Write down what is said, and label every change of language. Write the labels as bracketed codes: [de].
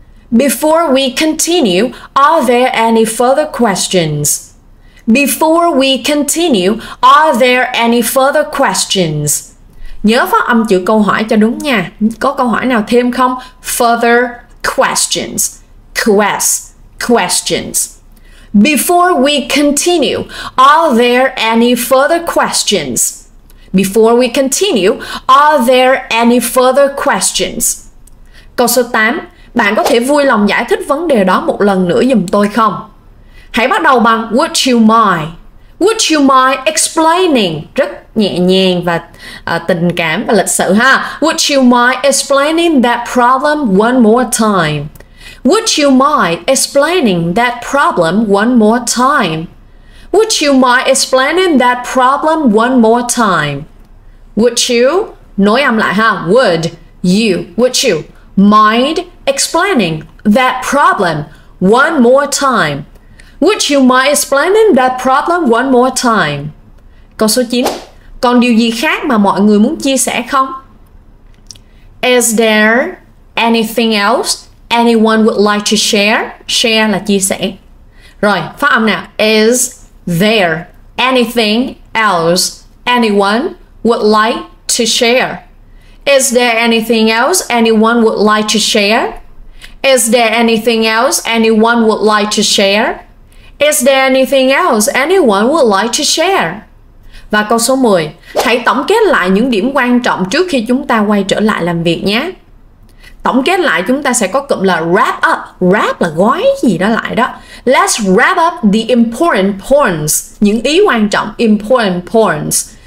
[en] Before we continue, are there any further questions? Before we continue, are there any further questions? [vi] Nhớ phát âm chữ câu hỏi cho đúng nha. Có câu hỏi nào thêm không? [en] Further questions. Questions. Before we continue, are there any further questions? Before we continue, are there any further questions? [vi] Câu số 8. Bạn có thể vui lòng giải thích vấn đề đó một lần nữa giùm tôi không? Hãy bắt đầu bằng [en] would you mind? Would you mind explaining? [vi] Rất nhẹ nhàng và tình cảm và lịch sự ha. [en] Would you mind explaining that problem one more time? Would you mind explaining that problem one more time? Would you mind explaining that problem one more time? Would you, [vi] nói âm lại ha, [en] would you mind explaining that problem one more time? Would you mind explaining that problem one more time? [vi] Câu số 9. Còn điều gì khác mà mọi người muốn chia sẻ không? [en] Is there anything else anyone would like to share? Share [vi] là chia sẻ. Rồi, phát âm nào. [en] Is there anything else anyone would like to share? Is there anything else anyone would like to share? Is there anything else anyone would like to share? Is there anything else anyone would like to share? [vi] Và câu số 10. Hãy tổng kết lại những điểm quan trọng trước khi chúng ta quay trở lại làm việc nhé. Tổng kết lại chúng ta sẽ có cụm là wrap up. Wrap là gói gì đó lại đó. [en] Let's wrap up the important points. [vi] Những ý quan trọng, [en] important points.